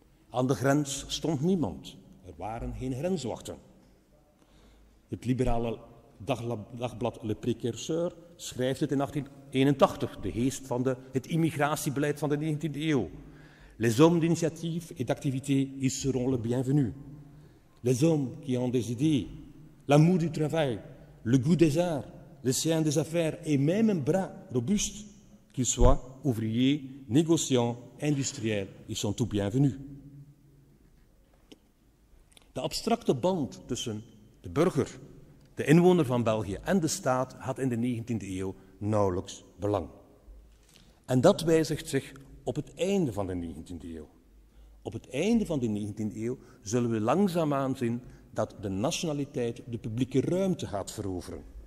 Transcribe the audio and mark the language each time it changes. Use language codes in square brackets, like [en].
[nl] Aan de grens stond niemand. Er waren geen grenswachten. Het liberale dagblad Le Précurseur schrijft het in 1881, de geest van het immigratiebeleid van de 19e eeuw. [fr] Les hommes d'initiative et d'activité y seront le bienvenu. Les hommes qui ont des idées, l'amour du travail, le goût des arts, le sien des affaires et même un bras robuste, qu'ils soient ouvriers, négociants, industriels, ils sont tout bienvenus. [nl] De abstracte band tussen de burger, de inwoner van België en de staat had in de 19e eeuw nauwelijks belang. En dat wijzigt zich op het einde van de 19e eeuw. Op het einde van de 19e eeuw zullen we langzaamaan zien dat de nationaliteit de publieke ruimte gaat veroveren.